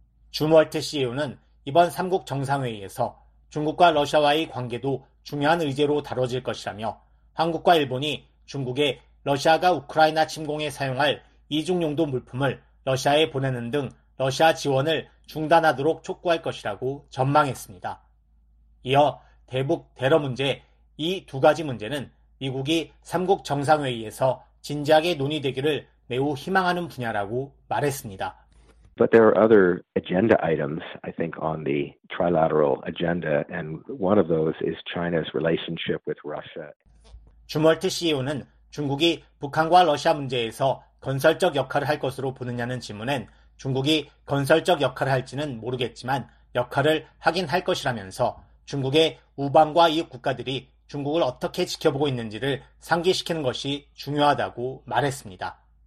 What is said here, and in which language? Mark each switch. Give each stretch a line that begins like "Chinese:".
Korean: 주멀트 CEO는 이번 3국 정상회의에서 중국과 러시아와의 관계도 중요한 의제로 다뤄질 것이라며 한국과 일본이 중국에 러시아가 우크라이나 침공에 사용할 이중용도 물품을 러시아에 보내는 등 러시아 지원을 중단하도록 촉구할 것이라고 전망했습니다. 이어 대북 대러 문제, 이 두 가지 문제는 미국이 3국 정상회의에서 진지하게 논의되기를 매우 희망하는 분야라고 말했습니다.
English: But there are other agenda items, I think, on the trilateral agenda, and one of those is China's relationship with Russia.
Korean: 주멀트 CEO는 중국이 북한과 러시아 문제에서 건설적 역할을 할 것으로 보느냐는 질문엔 중국이 건설적 역할을 할지는 모르겠지만 역할을 하긴 할 것이라면서 중국의 우방과 이웃 국가들이 중국을 어떻게 지켜보고 있는지를 상기시키는 것이 중요하다고 말했습니다.